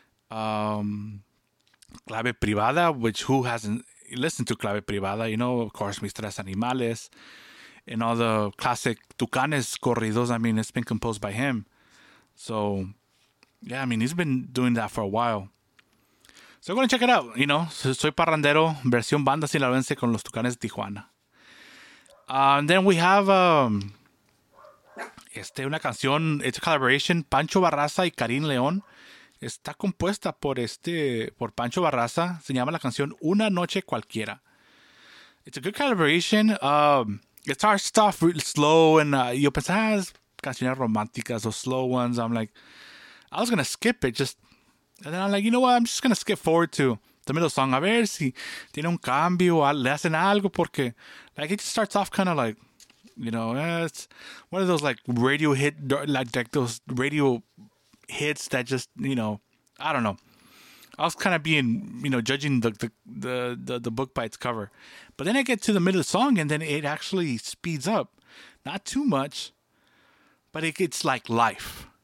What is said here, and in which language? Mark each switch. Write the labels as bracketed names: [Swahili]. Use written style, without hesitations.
[English] Clave Privada, which who hasn't listened to Clave Privada, you know, of course, Mis Tres Animales, and all the classic Tucanes corridos, I mean, it's been composed by him. So, yeah, I mean, he's been doing that for a while. So, go and check it out, you know. [Spanish] Soy Parrandero, versión banda sinaloense con los Tucanes de Tijuana. [English] And then we have [Spanish] una canción, [English] it's a collaboration, Pancho Barraza y Karim León. [Spanish] Está compuesta por Pancho Barraza. Se llama la canción Una Noche Cualquiera. [English] It's a good collaboration. Guitar stuff, real slow. And [Spanish] yo pensaba, canciones románticas [English] o slow ones. I'm like, I was going to skip it. And then I'm like, you know what? I'm just going to skip forward to the middle song. [Spanish] A ver si tiene un cambio o le hacen algo. [English] Porque like it just starts off kind of like, you know, it's one of those like radio hit, like those radio hits that just, you know, I don't know. I was kind of being, you know, judging the book by its cover. But then I get to the middle of the song and then it actually speeds up. Not too much, but it gets like life.